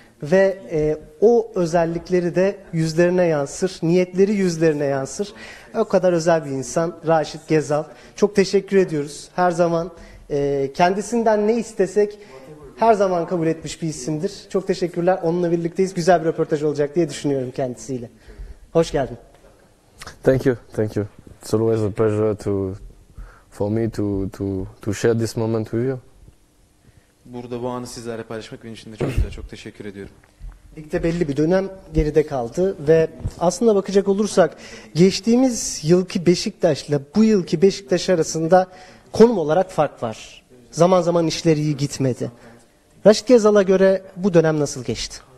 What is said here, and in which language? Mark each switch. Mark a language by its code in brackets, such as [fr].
[tr] Ve o özellikleri de yüzlerine yansır, niyetleri yüzlerine yansır. O kadar özel bir insan Raşit Gezal. Çok teşekkür ediyoruz. Her zaman kendisinden ne istesek her zaman kabul etmiş bir isimdir. Çok teşekkürler. Onunla birlikteyiz. Güzel bir röportaj olacak diye düşünüyorum kendisiyle. Hoş geldin. [en] Thank you, thank you. It's always a pleasure for me to share this moment with you. [tr] Burada bu anı sizlerle paylaşmak benim için de çok güzel. Çok teşekkür ediyorum. Ligde belli bir dönem geride kaldı ve aslında bakacak olursak geçtiğimiz yılki Beşiktaş'la bu yılki Beşiktaş arasında konum olarak fark var. Zaman zaman işler iyi gitmedi. Raşit Gezal'a göre bu dönem nasıl geçti?